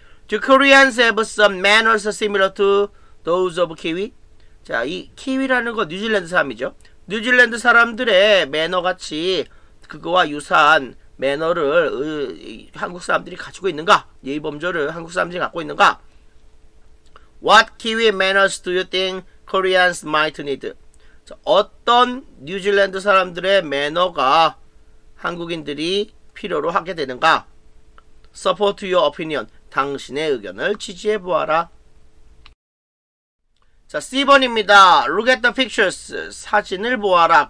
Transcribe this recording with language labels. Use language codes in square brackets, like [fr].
[en] Do Koreans have some manners similar to those of Kiwi? [ko] 자, 이 Kiwi라는 거 뉴질랜드 사람이죠. 뉴질랜드 사람들의 매너같이 그거와 유사한 매너를 한국 사람들이 가지고 있는가? 예의범절을 한국 사람들이 갖고 있는가? [en] What Kiwi manners do you think Koreans might need? [ko] 자, 어떤 뉴질랜드 사람들의 매너가 한국인들이 필요로 하게 되는가? [en] Support your opinion. [ko] 당신의 의견을 지지해보아라. 자, C번입니다. [en] Look at the pictures. [ko] 사진을 보아라.